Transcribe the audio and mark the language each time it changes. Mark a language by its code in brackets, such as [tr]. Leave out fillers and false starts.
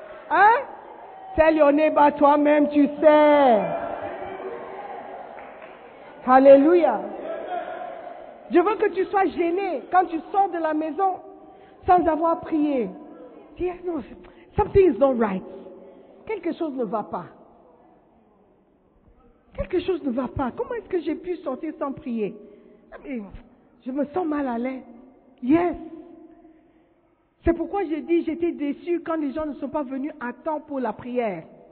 [en] Hein? Tell your neighbor, [fr] toi-même, tu sais. Alléluia. Je veux que tu sois gêné quand tu sors de la maison sans avoir prié. [en] Yeah, no, something is not right. [fr] Quelque chose ne va pas. Quelque chose ne va pas. Comment est-ce que j'ai pu sortir sans prier? Je me sens mal à l'aise. Yes. C'est pourquoi j'ai dit, j'étais déçue quand les gens ne sont pas venus à temps pour la prière.